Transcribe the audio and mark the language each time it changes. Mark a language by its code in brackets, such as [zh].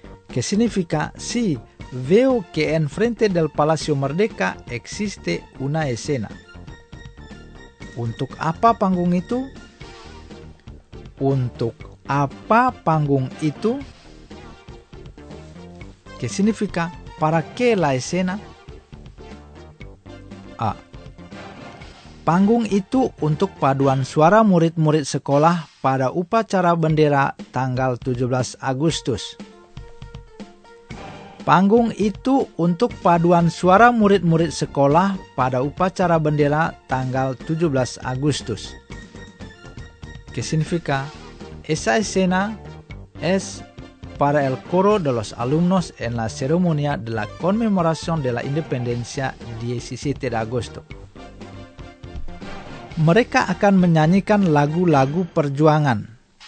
[es] Que significa si veo que en frente del Palacio Merdeka existe una escena. [id] Untuk apa panggung itu? Untuk apa panggung itu? [es] Que significa para qué la escena? A. [id] Panggung itu untuk paduan suara murid-murid sekolah pada upacara bendera tanggal 17 Agustus. Panggung itu untuk paduan suara murid-murid sekolah pada upacara bendera tanggal 17 Agustus. [es] Que significa esa escena es para el coro de los alumnos en la ceremonia de la conmemoración de la independencia 17 de agosto. [id] Mereka akan menyanyikan lagu-lagu perjuangan.